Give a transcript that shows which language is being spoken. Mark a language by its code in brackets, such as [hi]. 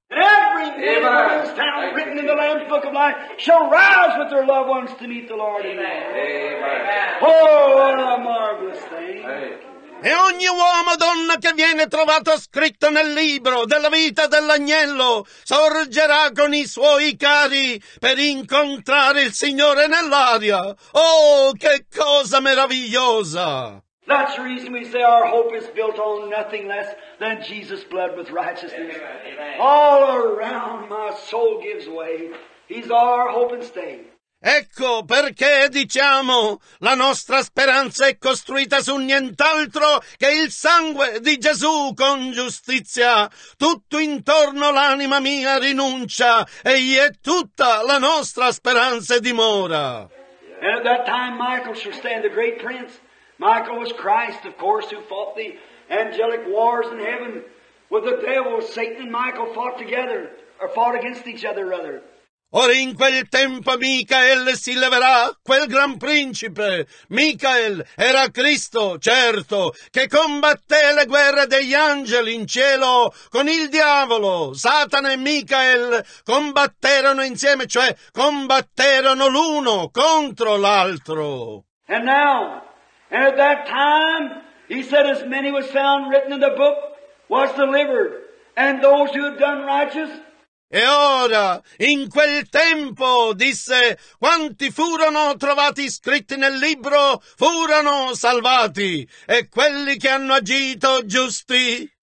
[en] Every man is down written in the Lamb's book of life shall rise with their loved ones to meet the Lord. Amen. Amen. Oh, what a marvelous thing. [it] E ogni uomo o donna che viene trovato scritto nel libro della vita dell'agnello sorgerà con i suoi cari per incontrare il Signore nell'aria. Oh, che cosa meravigliosa! [en] That's the reason we say our hope is built on nothing less than Jesus' blood with righteousness. Amen. All around my soul gives way. He's our hope and stay. [it] Ecco perché diciamo la nostra speranza è costruita su nient'altro che il sangue di Gesù con giustizia. Tutto intorno l'anima mia rinuncia e gli è tutta la nostra speranza e dimora. [en] And at that time Michael shall stand the great prince. Michael was Christ, of course, who fought the angelic wars in heaven with the devil. Satan and Michael fought together, or fought against each other rather. [it] Ora in quel tempo Michael si leverà, quel gran principe. Michael era Cristo, certo, che combatté le guerre degli angeli in cielo con il diavolo. Satana e Michael combatterono insieme, cioè combatterono l'uno contro l'altro. [en] And now, and at that time, he said, as many was found written in the book was delivered, and those who had done righteous. [it] E ora, in quel tempo, disse, quanti furono trovati scritti nel libro, furono salvati, e quelli che hanno agito giusti.